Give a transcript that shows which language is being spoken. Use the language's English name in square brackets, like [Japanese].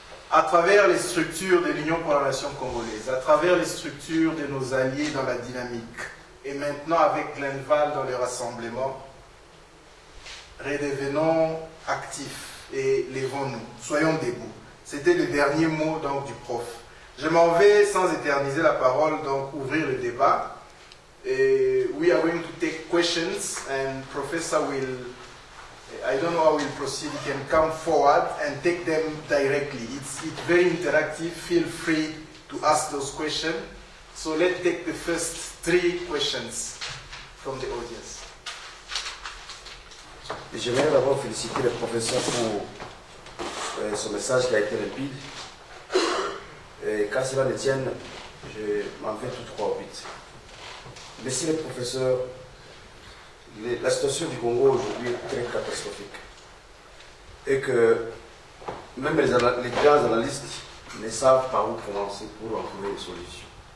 [French] À travers les structures de l'Union pour la Nation congolaise, à travers les structures de nos alliés dans la dynamique, et maintenant avec Glenval dans les rassemblements, redevenons actifs et levons-nous, soyons debout. C'était le dernier mot donc, du prof. Je m'en vais sans éterniser la parole, donc ouvrir le débat. [English] Et we are going to take questions and professor will... I don't know how we'll proceed. You can come forward and take them directly. It's very interactive. Feel free to ask those questions. So let's take the first three questions from the audience. [French] Je voudrais d'abord féliciter le professeur pour son message qui a été rapide. Et quand cela le tienne, je m'en vais tout droit au but. Merci le professeur. La situation du Congo aujourd'hui est très catastrophique. Et que même les grands analystes ne savent pas où commencer pour en trouver une solution.